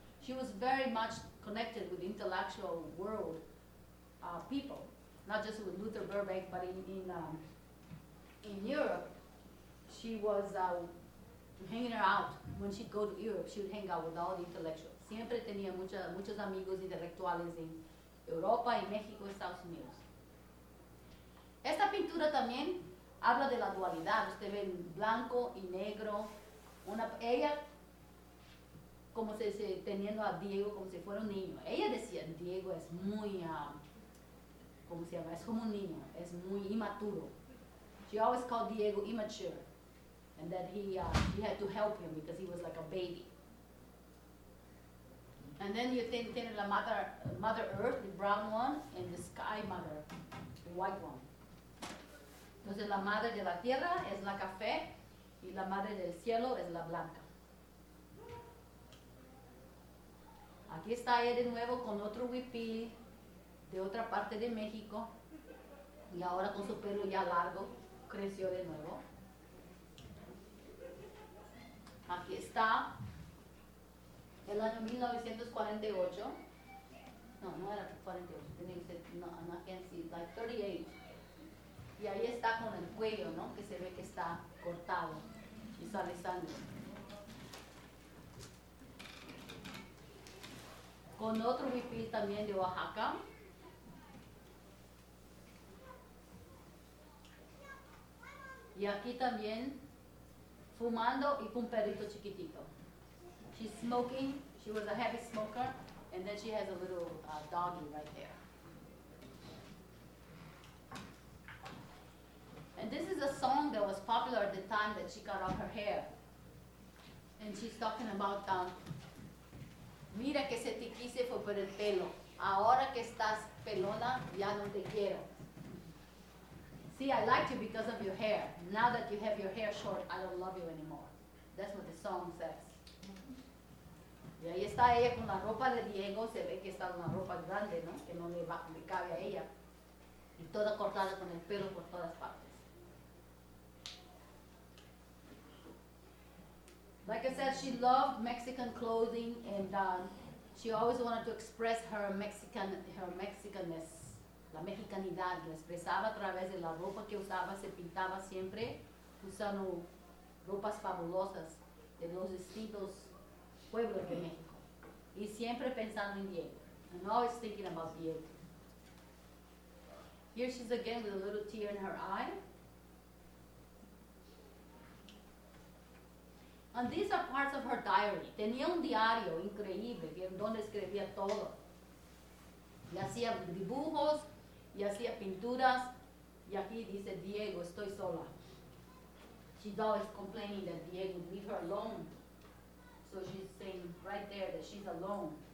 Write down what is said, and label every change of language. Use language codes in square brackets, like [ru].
[en] She was very much connected with the intellectual world people, not just with Luther Burbank, but in Europe, she was hanging out. When she'd go to Europe, she would hang out with all the intellectuals. [es] Siempre tenía muchos amigos intelectuales en Europa, en México, Estados Unidos. Esta pintura también habla de la dualidad. Usted ve blanco y negro. Ella, como se dice, teniendo a Diego como si fuera un niño. Ella decía, Diego es muy como se llama, es como un niño, es muy inmaturo. [en] She always called Diego immature, and that he had to help him because he was like a baby. And then you think the mother earth, the brown one, and the sky mother, the white one. [es] Entonces la madre de la tierra es la café, y la madre del cielo es la blanca. Aquí está ella de nuevo con otro huipil de otra parte de México, y ahora con su pelo ya largo, creció de nuevo. Aquí está el año 1948. No, no era 48, tenía que ser, no, [en] I can't see, like 38. [es] Y ahí está con el cuello, ¿no? Que se ve que está cortado y sale sangre. Con otro huipil también de Oaxaca. Y aquí también fumando y con un perrito chiquitito. [en] She's smoking, she was a heavy smoker, and then she has a little doggy right there. And this is a song that was popular at the time that she cut off her hair. And she's talking about, [es] mira que se te quise fue por el pelo. Ahora que estás pelona, ya no te quiero. [en] See, I liked you because of your hair. Now that you have your hair short, I don't love you anymore. That's what the song says. [es] Y ahí está ella con la ropa de Diego. Se ve que está una ropa grande, ¿no? Que no le cabe a ella. Y toda cortada con el pelo por todas partes. [en] Like I said, she loved Mexican clothing, and she always wanted to express her Mexicanness, [es] la mexicanidad. La expresaba a través de la ropa que usaba, se pintaba siempre usando ropas fabulosas de los distintos pueblos de México. Y siempre pensando en Diego, [en] and always thinking about Diego. Here she's again with a little tear in her eye. And these are parts of her diary. [es] Tenía un diario increíble donde escribía todo. Y hacía dibujos, y hacía pinturas, y aquí dice, Diego, estoy sola. [en] She's always complaining that Diego leave her alone. So she's saying right there that she's alone.